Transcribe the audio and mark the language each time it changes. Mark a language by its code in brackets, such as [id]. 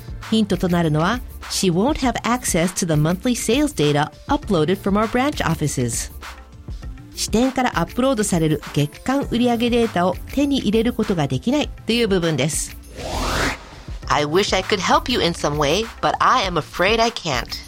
[ja] ヒントとなるのは [en] She won't have access to the monthly sales data uploaded from our branch offices. [ja] 支店からアップロードされる月間売上データを手に入れることができないという部分です。 [en] I wish I could help you in some way, but I am afraid I can't.